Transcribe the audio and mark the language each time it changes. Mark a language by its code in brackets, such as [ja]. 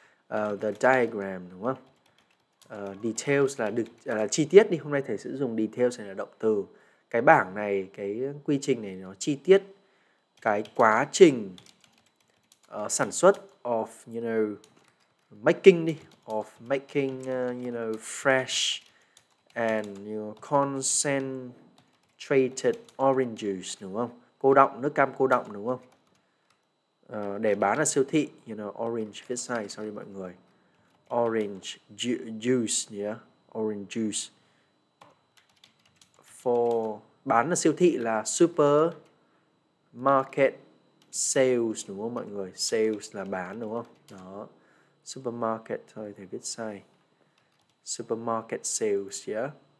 [en] The diagram, [vi] đúng không? Details là được chi tiết đi. Hôm nay thầy sẽ dùng details là động từ. Cái bảng này, cái quy trình này nó chi tiết. Cái quá trình sản xuất [en] of, you know, making [vi] đi. [en] Of making, you know, fresh and, you know, concentrated orange juice, [vi] đúng không? Cô đọng, nước cam cô đọng, đúng không? Để bán ở siêu thị, [en] you know, orange, [vi] viết sai, [en] sorry mọi người. Orange juice, yeah, orange juice. [vi] For bán ở siêu thị là supermarket sales đúng không mọi người? Sales là bán đúng không? Đó. Supermarket thôi thầy viết sai. Supermarket sales chưa?